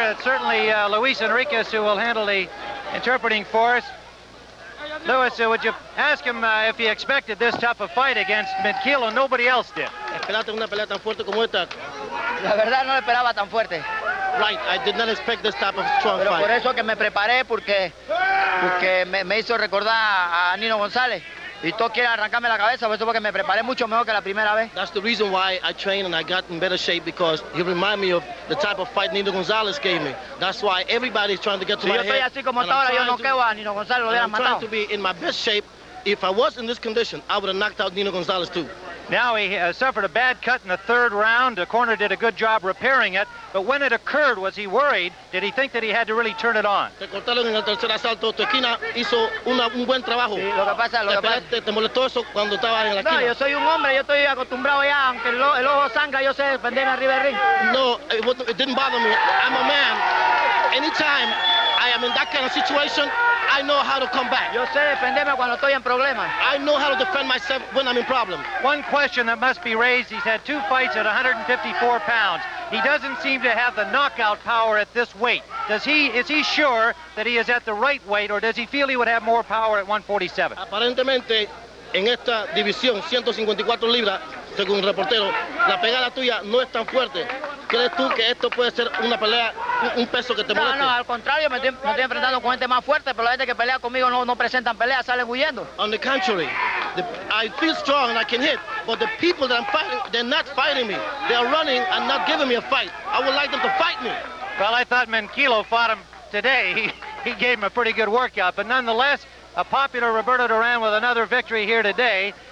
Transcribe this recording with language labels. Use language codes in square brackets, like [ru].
[en] It's certainly Luis Enriquez who will handle the interpreting for us. Lewis, would you ask him if he expected this type of fight against Minchillo? Nobody else did. [es] Esperaste una pelea tan fuerte como esta. La verdad no esperaba tan fuerte. [en] Right, I did not expect this type of strong [es] Pero [en] fight. [es] Por eso que me preparé porque me hizo recordar a Nino González. Y todos quieren arrancarme la cabeza, por eso porque me preparé mucho mejor que la primera vez. [en] That's the reason why I trained and I got in better shape, because he reminded me of the type of fight Nino González gave me. That's why everybody's trying to get to [es] si [en] my [es] yo [en] head. [es] Yo estoy así como está ahora, yo no quedo a Nino González, lo hubieran matado. [en] I'm trying to be in my best shape. If I was in this condition, I would have knocked out Nino González too. Now he suffered a bad cut in the third round. The corner did a good job repairing it. But when it occurred, was he worried? Did he think that he had to really turn it on? [es] Te cortaron en el tercer asalto. Tu esquina hizo un buen trabajo. Sí, lo que pasa, lo que pasa. Te molestó eso cuando estaba en la esquina. No, yo soy un hombre. Yo estoy acostumbrado ya. Aunque el ojo sangra, yo sé defender arriba del ring. [en] No, it didn't bother me. I'm a man. Anytime I am in that kind of situation, I know how to come back. [es] Yo sé defenderme cuando estoy en problemas. [en] I know how to defend myself when I'm in problems. One question that must be raised, he's had two fights at 154 pounds. He doesn't seem to have the knockout power at this weight. Is he sure that he is at the right weight, or does he feel he would have more power at 147? [es] Aparentemente, en esta división, 154 libras, según el reportero, la pegada tuya no es tan fuerte. ¿Crees tú que esto puede ser una pelea, un peso que te moleste? No, al contrario, me estoy enfrentando con gente más fuerte, pero la gente que pelea conmigo no presentan pelea, salen huyendo. [en] On the contrary, I feel strong and I can hit, but the people that I'm fighting, they're not fighting me. They are running and not giving me a fight. I would like them to fight me. Well, I thought Minchillo fought him today. He gave him a pretty good workout, but nonetheless, a popular Roberto Duran with another victory here today.